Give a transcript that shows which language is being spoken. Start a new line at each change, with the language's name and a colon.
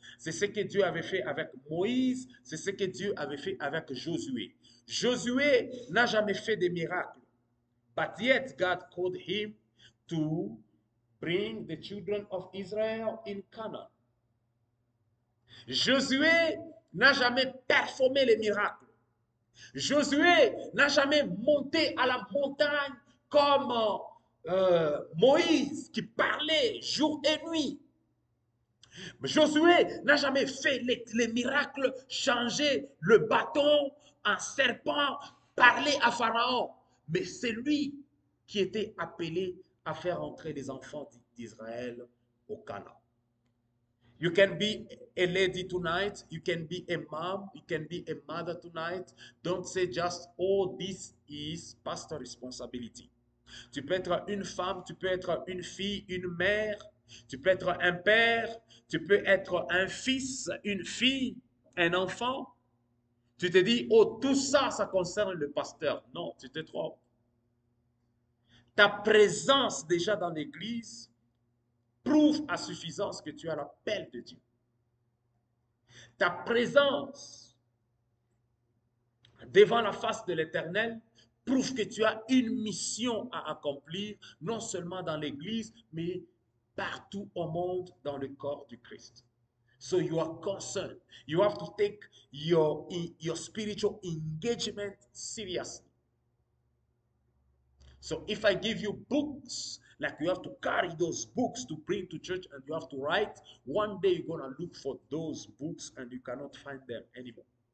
French: C'est ce que Dieu avait fait avec Moïse. C'est ce que Dieu avait fait avec Josué. Josué n'a jamais fait des miracles.
English: But yet God called him to bring the children of Israel in Canaan.
French: Josué n'a jamais performé les miracles. Josué n'a jamais monté à la montagne comme Moïse qui parlait jour et nuit. Josué n'a jamais fait les miracles, changer le bâton en serpent, parler à Pharaon. Mais c'est lui qui était appelé à faire entrer les enfants d'Israël au Canaan.
English: You can be a lady tonight. You can be a mom. You can be a mother tonight. Don't say just, oh, this is pastor responsibility.
French: Tu peux être une femme, tu peux être une fille, une mère. Tu peux être un père, tu peux être un fils, une fille, un enfant. Tu te dis, oh, tout ça, ça concerne le pasteur. Non, tu te trompes. Ta présence déjà dans l'église prouve à suffisance que tu as l'appel de Dieu. Ta présence devant la face de l'Éternel prouve que tu as une mission à accomplir, non seulement dans l'église, mais partout au monde, dans le corps du Christ.
English: So you are concerned. You have to take your spiritual engagement seriously. So if I give you books, like you have to carry those books to bring to church and you have to write, one day you're going to look for those books and you cannot find them anymore.